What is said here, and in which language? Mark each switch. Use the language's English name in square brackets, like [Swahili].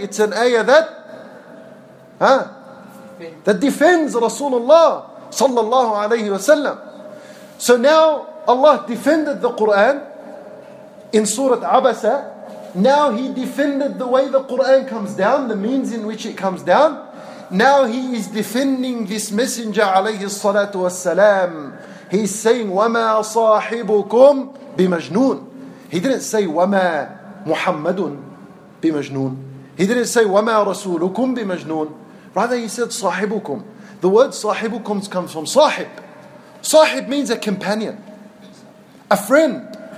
[English] It's an ayah that defends Rasulullah sallallahu alayhi wa sallam. So now Allah defended the Quran in Surah Abasa. Now he defended the way the Quran comes down, the means in which it comes down. Now he is defending this messenger alayhi salatu wassalam. He's saying, [Arabic] وَمَا صَاحِبُكُمْ بِمَجْنُونَ. [English] He didn't say, [Arabic] وَمَا مُحَمَّدٌ بِمَجْنُونَ. [English] He didn't say, [Arabic] وَمَا رَسُولُكُمْ بِمَجْنُونَ. [English] Rather, he said, صَاحِبُكُمْ. The word صَاحِبُكُمْ comes from صَاحِب. صَاحِب means a companion. A friend.